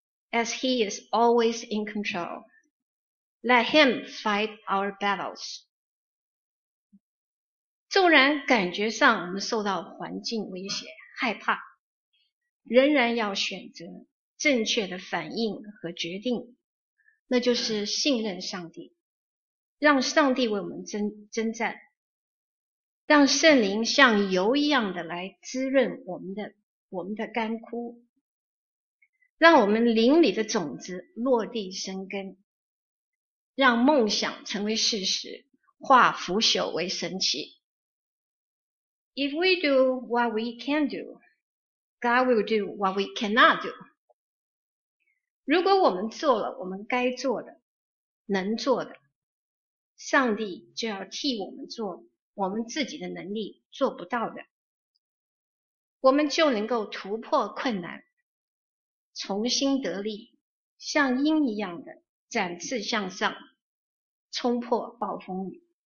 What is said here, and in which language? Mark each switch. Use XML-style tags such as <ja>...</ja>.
<en>As He is always in control. Let Him fight our battles.</en> <zh>纵然感觉上我们受到环境威胁、害怕，仍然要选择正确的反应和决定，那就是信任上帝，让上帝为我们征战，让圣灵像油一样的来滋润我们的干枯，让我们灵里的种子落地生根，让梦想成为事实，化腐朽为神奇。</zh> <en>If we do what we can do, God will do what we cannot do.</en> <zh>如果我们做了我们该做的、能做的，上帝就要替我们做我们自己的能力做不到的。我们就能够突破困难，重新得力，像鹰一样的展翅向上，冲破暴风雨。</zh>